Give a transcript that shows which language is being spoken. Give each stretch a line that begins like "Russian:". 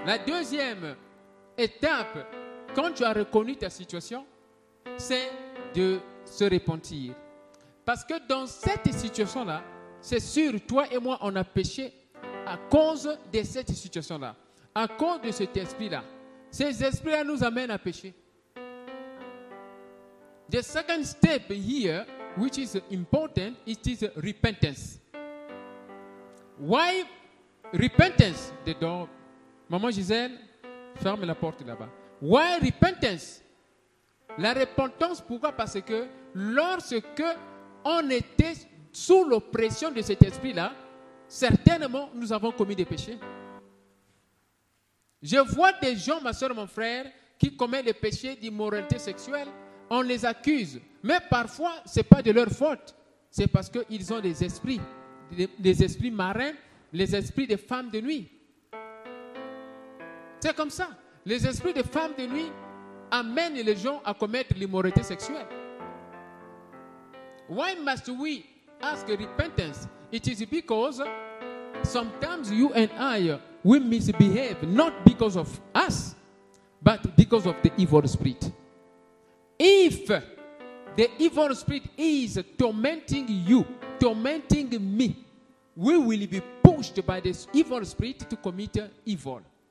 French: La deuxième étape, quand tu as reconnu ta situation, c'est de se repentir. Parce que dans cette situation-là, c'est sûr, toi et moi, on a péché à cause de cette situation-là, à cause de cet esprit-là. Ces esprits-là nous amènent à pécher.
English: The second step here, which is important, it is repentance. Why repentance? The door.
French: Maman Gisèle, ferme la porte là-bas.
English: Why repentance?
French: La repentance, pourquoi? Parce que lorsque on était sous l'oppression de cet esprit-là, certainement nous avons commis des péchés. Je vois des gens, ma soeur, mon frère, qui commettent des péchés d'immoralité sexuelle. On les accuse, mais parfois ce n'est pas de leur faute. C'est parce qu'ils ont des esprits, des esprits marins, les esprits des femmes de nuit. C'est comme ça. Les esprits des femmes de nuit amènent les gens à commettre l'immoralité sexuelle.
English: Why must we ask repentance? It is because sometimes you and I, we misbehave, not because of us, but because of the evil spirit. If the evil spirit is tormenting you, tormenting me, we will be pushed by this evil spirit to commit evil.